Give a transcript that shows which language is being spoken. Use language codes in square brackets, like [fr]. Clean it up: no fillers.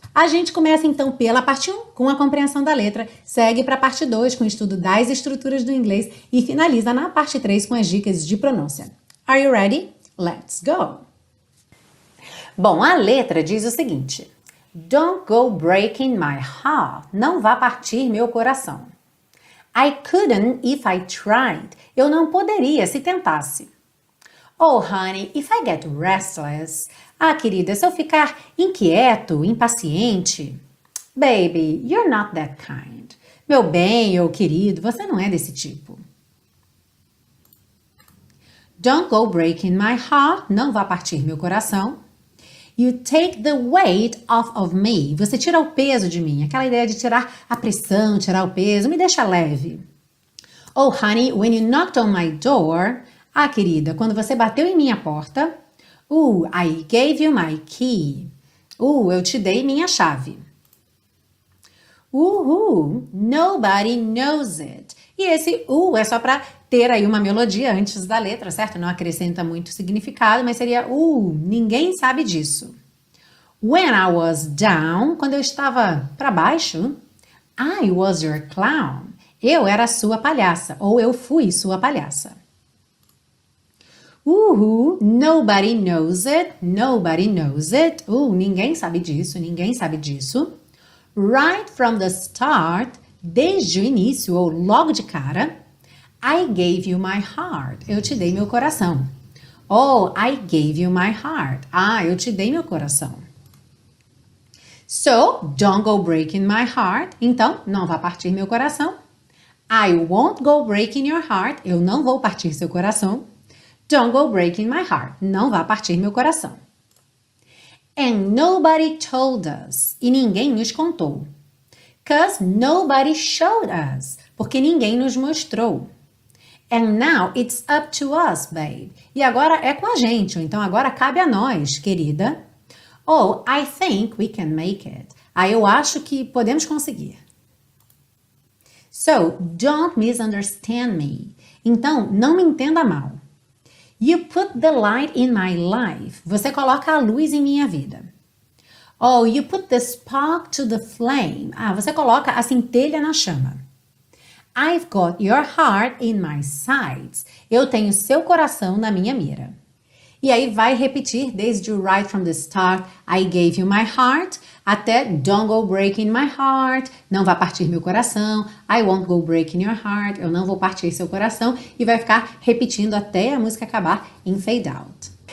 [pt] A gente começa, então, pela parte 1, com a compreensão da letra, segue para a parte 2, com o estudo das estruturas do inglês, e finaliza na parte 3, com as dicas de pronúncia. [en] Are you ready? Let's go! [pt] Bom, a letra diz o seguinte: [en] Don't go breaking my heart. [pt] Não vá partir meu coração. [en] I couldn't if I tried. [pt] Eu não poderia se tentasse. [en] Oh, honey, if I get restless. [pt] Ah, querida, se eu ficar inquieto, impaciente. [en] Baby, you're not that kind. [pt] Meu bem ou querido, você não é desse tipo. [en] Don't go breaking my heart. [pt] Não vá partir meu coração. [en] You take the weight off of me. [pt] Você tira o peso de mim. Aquela ideia de tirar a pressão, tirar o peso, me deixa leve. [en] Oh, honey, when you knocked on my door. [pt] Ah, querida, quando você bateu em minha porta. [en] I gave you my key. [pt] Eu te dei minha chave. [en] Nobody knows it. [pt] E esse é só para ter aí uma melodia antes da letra, certo? Não acrescenta muito significado, mas seria ninguém sabe disso. [en] When I was down, [pt] quando eu estava para baixo, [en] I was your clown. [pt] Eu era sua palhaça, ou eu fui sua palhaça. [en] Nobody knows it, nobody knows it. [pt] Ninguém sabe disso, ninguém sabe disso. [en] Right from the start, [pt] desde o início ou logo de cara, [en] I gave you my heart, [pt] eu te dei meu coração. [en] Oh, I gave you my heart. [pt] Ah, eu te dei meu coração. [en] So, don't go breaking my heart. [pt] Então, não vá partir meu coração. [en] I won't go breaking your heart. [pt] Eu não vou partir seu coração. [en] Don't go breaking my heart. [pt] Não vá partir meu coração. [en] And nobody told us. [pt] E ninguém nos contou. [en] 'Cause nobody showed us. [pt] Porque ninguém nos mostrou. [en] And now it's up to us, babe. [pt] E agora é com a gente, então agora cabe a nós, querida. [en] Oh, I think we can make it. [pt] Ah, eu acho que podemos conseguir. [en] So, don't misunderstand me. [pt] Então, não me entenda mal. [en] You put the light in my life. [pt] Você coloca a luz em minha vida. [en] Oh, you put the spark to the flame. [pt] Ah, você coloca a centelha na chama. [en] I've got your heart in my sights. [pt] Eu tenho seu coração na minha mira. E aí vai repetir desde [en] right from the start, I gave you my heart, [pt] até [en] don't go breaking my heart, [pt] não vá partir meu coração, [en] I won't go breaking your heart, [pt] eu não vou partir seu coração, e vai ficar repetindo até a música acabar em fade out.